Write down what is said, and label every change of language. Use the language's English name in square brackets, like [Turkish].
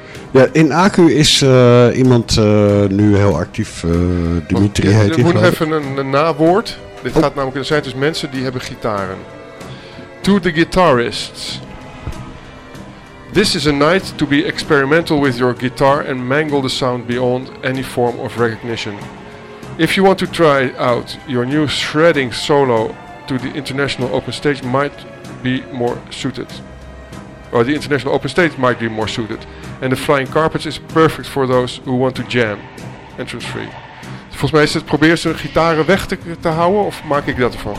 [Dutch] Ja, in Accu is iemand nu heel actief, Dimitri heet hij. Ik moet even een nawoord. Dit gaat namelijk, er zijn dus mensen die hebben gitaren. [English] To the guitarists. This is a night to be experimental with your guitar and mangle the sound beyond any form of recognition. If you want to try out your new shredding solo to the International Open Stage might be more suited. Or the International Open Stage might be more suited. And the Flying Carpets is perfect for those who want to jam. Entrance free. [Dutch] Volgens mij is het, probeer ze hun gitaren weg te houden of maak ik dat ervan?